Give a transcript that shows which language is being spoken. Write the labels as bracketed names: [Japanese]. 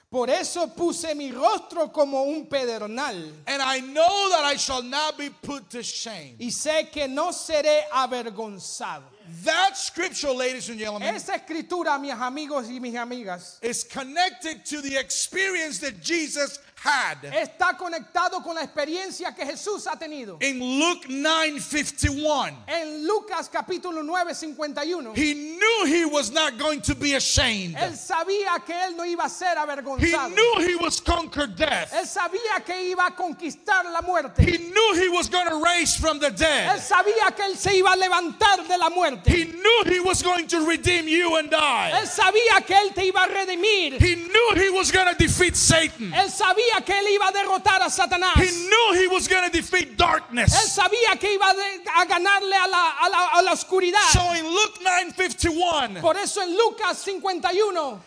[Spanish] Por eso puse mi rostro como un pedernal. [English] And I know that I shall not be put to shame. [Spanish] Y sé que no seré avergonzado. [English] That scripture, ladies and gentlemen, [Spanish] esa escritura, mis amigos y mis amigas, [English] is connected to the experience that Jesus had. [Spanish] Está conectado con la experiencia que Jesús ha tenido. [English] In Luke 9:51. [Spanish] En Lucas capítulo 9:51. [English] He knew he was not going to be ashamed. [Spanish] Él sabía que él no iba a ser avergonzado. [English] He knew he was conquered death. [Spanish] Él sabía que iba a conquistar la muerte. [English] He knew he was going to raise from the dead. [Spanish] Él sabía que él se iba a levantar de la muerte. [English] He knew he was going to redeem you and I. [Spanish] Él sabía que él te iba a redimir. [English] He knew he was going to defeat Satan. [Spanish] Él sabía que él iba a derrotar a Satanás. [English] He knew he was going to defeat darkness. [Spanish] Él sabía que iba a ganarle a la oscuridad. [English] So in Luke 9:51. [Spanish] Por eso en Lucas 51.